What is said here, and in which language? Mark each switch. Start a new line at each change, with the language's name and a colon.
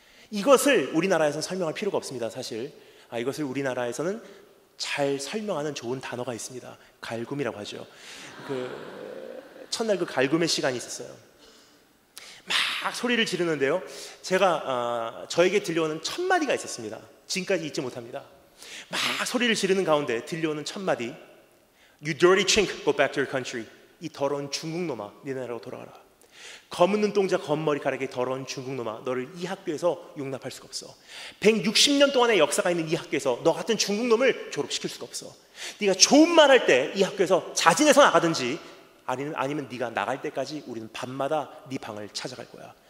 Korean: 이것을 우리나라에서는 설명할 필요가 없습니다. 사실 이것을 우리나라에서는 잘 설명하는 좋은 단어가 있습니다. 갈굼이라고 하죠. 첫날 그 갈굼의 시간이 있었어요. 막 소리를 지르는데요, 제가 저에게 들려오는 첫 마디가 있었습니다. 지금까지 잊지 못합니다. 막 소리를 지르는 가운데 들려오는 첫 마디,
English: You dirty chink, go back to your country.
Korean: 이 더러운 중국놈아, 네 나라로 돌아가라. 검은 눈동자, 검머리카락의 더러운 중국놈아, 너를 이 학교에서 용납할 수가 없어. 160년 동안의 역사가 있는 이 학교에서 너 같은 중국놈을 졸업시킬 수가 없어. 네가 좋은 말 할 때 이 학교에서 자진해서 나가든지, 아니면 네가 나갈 때까지 우리는 밤마다 네 방을 찾아갈 거야.